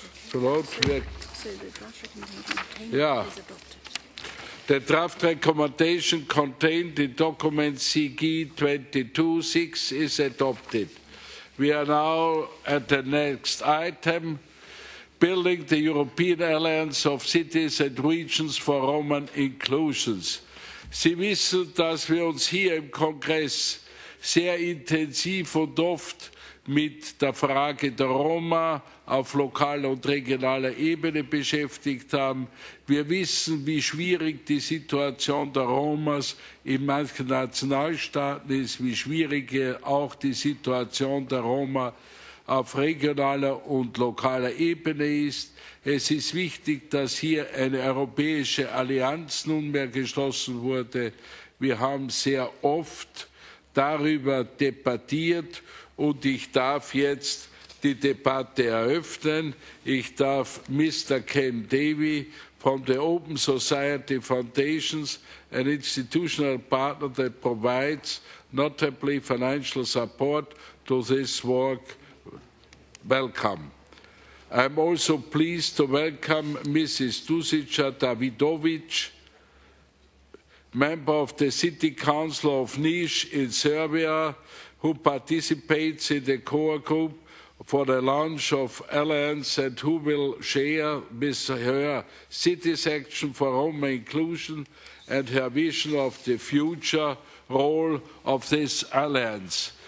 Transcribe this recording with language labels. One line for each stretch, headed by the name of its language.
English: To vote. Yeah. The draft recommendation contained in document CG 22-6 is adopted. We are now at the next item, building the European Alliance of Cities and Regions for Roman Inclusions.
German: Sie wissen, dass wir uns hier im Kongress sehr intensiv und oft mit der Frage der Roma auf lokaler und regionaler Ebene beschäftigt haben. Wir wissen, wie schwierig die Situation der Romas in manchen Nationalstaaten ist, wie schwierig auch die Situation der Roma auf regionaler und lokaler Ebene ist. Es ist wichtig, dass hier eine europäische Allianz nunmehr geschlossen wurde. Wir haben sehr oft darüber debattiert, und ich darf jetzt die Debatte eröffnen. Ich darf Mr.
English: Ken Davey from the Open Society Foundations, an institutional partner that provides notably financial support to this work, welcome. I'm also pleased to welcome Mrs. Dusica Davidovic, member of the City Council of Niš in Serbia, who participates in the core group for the launch of Alliance and who will share with her city's action for Roma inclusion and her vision of the future role of this Alliance.